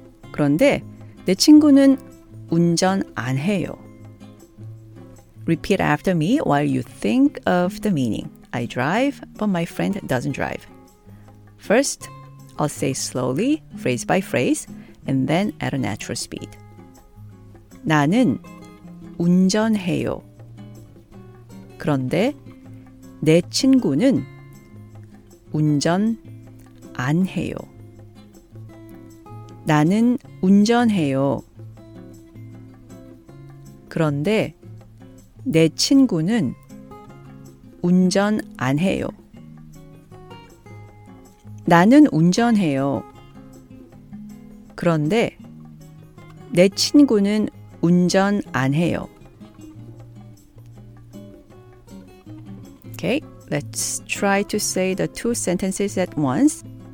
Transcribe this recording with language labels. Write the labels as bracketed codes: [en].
[ko] 그런데 내 친구는 운전 안 해요. [en] Repeat after me while you think of the meaning. I drive, but my friend doesn't drive. First, I'll say slowly, phrase by phrase, and then at a natural speed. [ko] 나는 운전해요. 그런데 내 친구는 운전 안 해요. 나는 운전해요. 그런데 내 친구는 운전 안 해요. 나는 운전해요. 그런데 내 친구는 운전 안 해요. [en] Okay, let's try to say the two sentences at once.